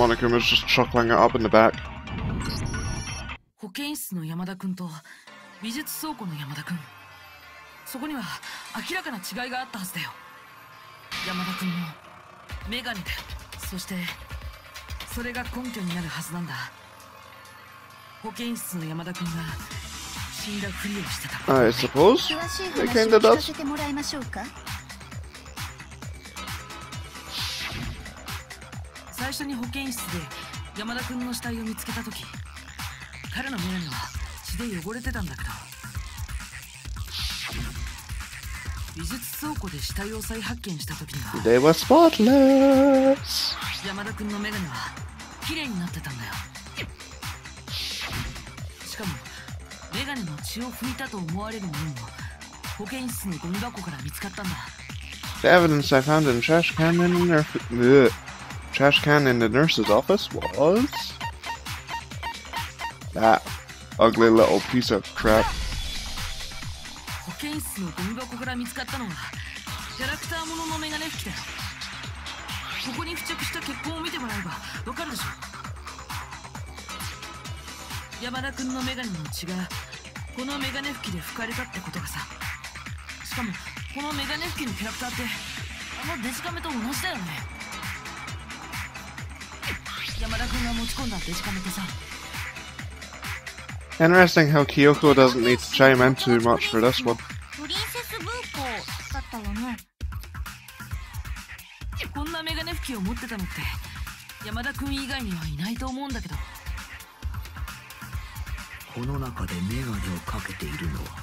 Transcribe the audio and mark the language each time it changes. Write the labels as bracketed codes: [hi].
[en] Monica was just chuckling it up in the back. [ja] 保健室の山田君と美術倉庫の山田君、そこには明らかな違いがあったはずだよ。山田君のメガネだよ。そしてそれが根拠になるはずなんだ。保健室の山田君が死んだふりをしてた。 [en] I suppose. [ja] 詳しい話を聞かせてもらいましょうか。最初に保健室で山田君の死体を見つけた時、彼の目には血で汚れてたんだけど、美術倉庫で死体を再発見した時には [en] They were spotless. [ja] 山田君の眼鏡は綺麗になってたんだよ。しかも眼鏡の血を拭いたと思われるものも保健室のゴミ箱から見つかったんだ。 [en] The evidence I found in the trash can in the nurse's office was that ugly little piece of crap. [ja] 検出のゴミ箱から見つかったのはキャラクターもののメガネ拭きだよ。ここに付着した血痕を見てもらえばわかるでしょ。山田君のメガネの血がこのメガネ拭きで拭かれたってことがさ。しかもこのメガネ拭きのキャラクターってあのデジカメと同じだよね。山田君が持ち込んだデジカメとさ。 [en] Interesting how Kyoko doesn't need to chime in too much for this one. Princess Buko, that was it. [ja] こんなメガネ拭きを持ってたのって山田君以外にはいないと思うんだけど。この中でメガネをかけているのは。